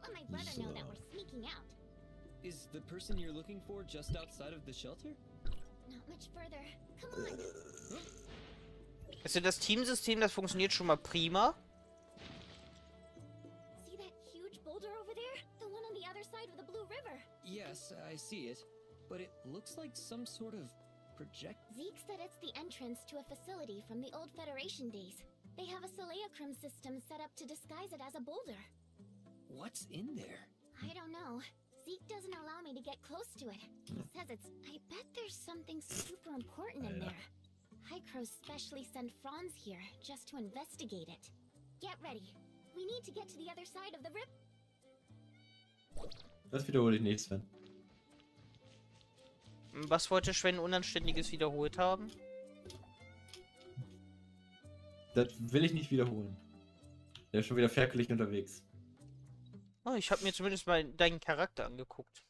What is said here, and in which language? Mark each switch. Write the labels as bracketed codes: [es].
[en] brother know that we're sneaking out. Is the person you're looking for just outside of the shelter? Not much further. Come on. [de] Also das Teamsystem, das funktioniert schon mal prima. [en] See that huge boulder over there? The one on the other side of the Blue River. Yes, I see it. But it looks like some sort of project. Zeke said it's the entrance to a facility from the old Federation days. They have a Soleacrim system set up to disguise it as a boulder. What's in there? I don't know. Zeke doesn't allow me to get close to it. He says it's... I bet there's something super important in there. Hycros specially sent Franz here just to investigate it. Get ready. We need to get to the other side of the rip. [de] Das wiederhole ich nicht, Sven. Was wollte Sven Unanständiges wiederholt haben? Das will ich nicht wiederholen. Der ist schon wieder ferkelig unterwegs. Oh, ich hab mir zumindest mal deinen Charakter angeguckt.